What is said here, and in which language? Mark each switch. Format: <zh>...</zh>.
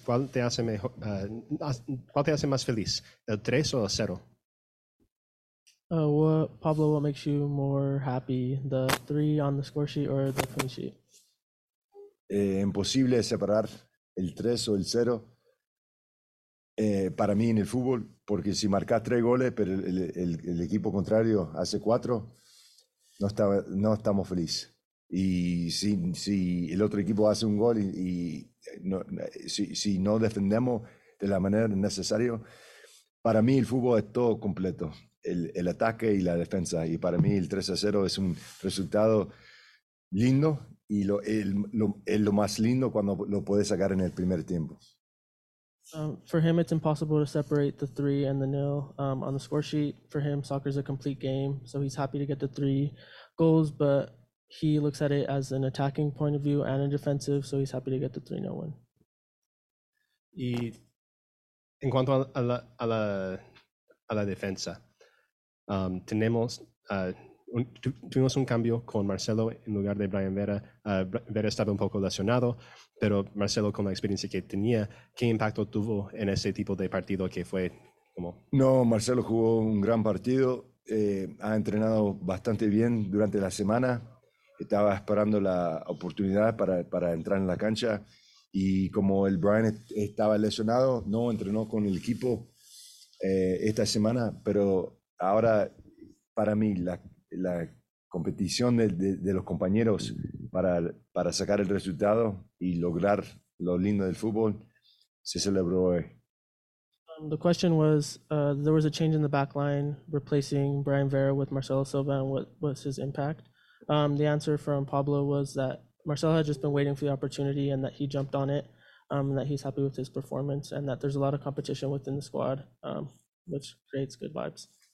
<es>¿Cuál te hace más feliz, el tres o el cero?</es> <en>Pablo, what makes you more happy, the three on the score sheet or the clean sheet?</en> <es>Imposible separar el tres o el cero para mí en el fútbol, porque si marcas tres goles, pero el equipo contrario hace cuatro, no estamos felices. Y si el otro equipo hace un gol y no, si no defendemos de la manera necesaria, para mí el fútbol es todo completo, el ataque y la defensa. Y para mí el 3-0 es un resultado lindo y es lo más lindo cuando lo puedes sacar en el primer tiempo.</es> <en>For him, it's impossible to separate the three and the nil on the score sheet. For him, soccer is a complete game, so he's happy to get the three goals, but he looks at it as an attacking point of view and a defensive, so he's happy to get the 3-0 win.</en> <es>Y en cuanto a la defensa, tuvimos un cambio con Marcelo en lugar de Brian Vera. Vera estaba un poco lesionado, pero Marcelo, con la experiencia que tenía, ¿qué impacto tuvo en ese tipo de partido que fue como? No, Marcelo jugó un gran partido. Ha entrenado bastante bien durante la semana. Estaba esperando la oportunidad para entrar en la cancha, y como el Brian estaba lesionado, no entrenó con el equipo esta semana, pero ahora para mí la competición de los compañeros para sacar el resultado y lograr lo lindo del fútbol se celebró hoy.</es> <en>The question was, there was a change in the back line replacing Brian Vera with Marcelo Silva, and what was his impact? The answer from Pablo was that Marcelo had just been waiting for the opportunity and that he jumped on it, that he's happy with his performance, and that there's a lot of competition within the squad, which creates good vibes.</en>